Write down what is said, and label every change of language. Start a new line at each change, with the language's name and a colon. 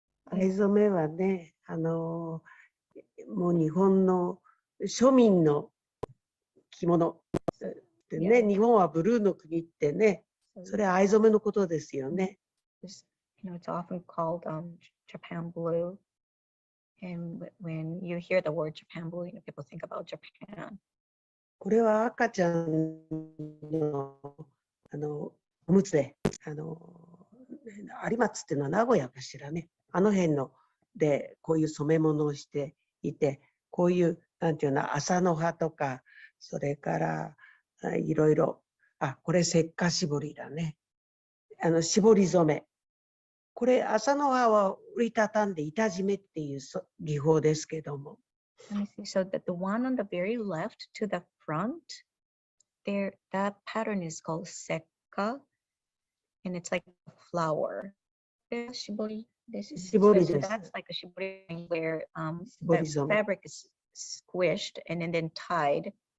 Japanese: 藍染めはね、あの、もう日本の庶民の着物。でね、yeah. 日本はブルーの国ってね、それは藍染めのことですよね。
English: You know, it's often called, Japan blue. And when you hear the word Japan blue, you know, people think about Japan.
Japanese: これは赤ちゃんの、あの、おむつで、あの、有松っていうのは名古屋かしらね。あの辺ので、こういう染め物をしていて、こういう、なんていうの、麻の葉とか、それから、いろいろ。あ、これ、石化絞りだね。あの、絞り染め。これ、麻の葉を折りたたんで、板締めっていう技法ですけども。
English: Let me see. So that the one on the very left to the front, there, that pattern is called 石化. And it's like a flower. This is
Japanese: 絞りです。
English: So that's like a 絞り where, the 絞り fabric is squished and then tied.